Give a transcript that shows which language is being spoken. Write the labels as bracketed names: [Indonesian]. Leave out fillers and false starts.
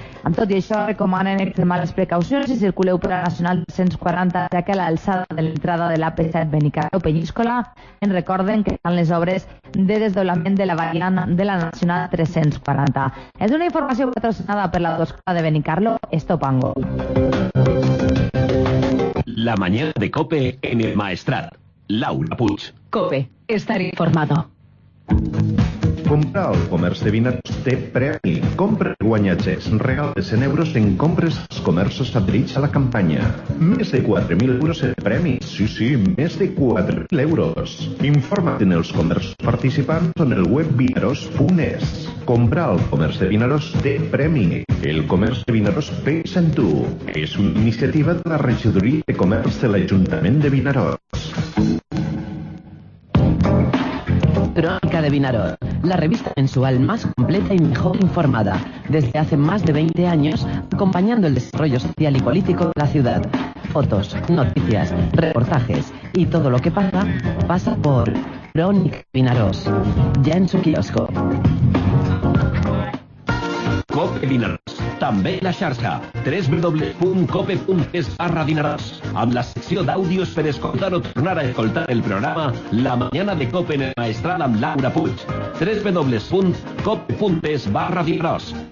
[Catalan] Amb tot i això, recomanen extremar les precaucions i circuleu per la Nacional 140, ja que a l'alçada de l'entrada de l'AP7 Benicarló Peníscola, en recorden que estan les obres de desdoblament de la variant de la Nacional 340. És una informació patrocinada per l'autoescola de Benicarló, Estopango. [Spanish] La mañana de COPE en el Maestrat. Laura Puig. COPE. Estar informado. [Catalan] Comprar o comerç de vinaròs té premi. Compra i guanya xecs. Regal de 100 euros en compres als comerços adherits a la campanya. Més de 4.000 euros en premi. Sí, sí, més de 4.000 euros. Informa't en els comerços participants o en el web vinaròs.es. Comprar o comerç de vinaròs té premi. El comerç de vinaròs pensa en tu. És una iniciativa de la regidoria de comerç de l'Ajuntament de Vinaròs. [Spanish] Crónica de Vinaròs, la revista mensual más completa y mejor informada. Desde hace más de 20 años, acompañando el desarrollo social y político de la ciudad. Fotos, noticias, reportajes y todo lo que pasa, pasa por Crónica de Vinaròs, ya en su kiosco. [Catalan] COPE Vinaròs, també la xarxa, www.cope.es/Vinaròs, amb la secció d'àudios per escoltar o tornar a escoltar el programa La Mañana de COPE en el Maestrat amb Laura Puig, www.cope.es/Vinaròs.